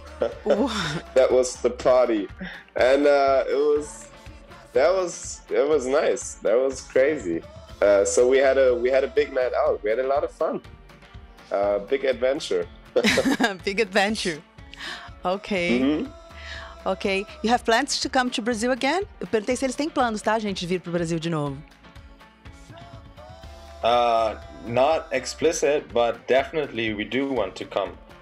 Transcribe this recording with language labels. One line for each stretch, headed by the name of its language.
English: That was the party. And it was nice. That was crazy. So we had a big night out. We had a lot of fun. Big adventure. Big adventure. Okay. Mm-hmm. Ok. You have plans to come to Brazil again?
Portuguese: Eu perguntei se eles têm planos, tá, gente, de vir pro Brasil de novo.
English: Not explicit, but definitely we do want to come.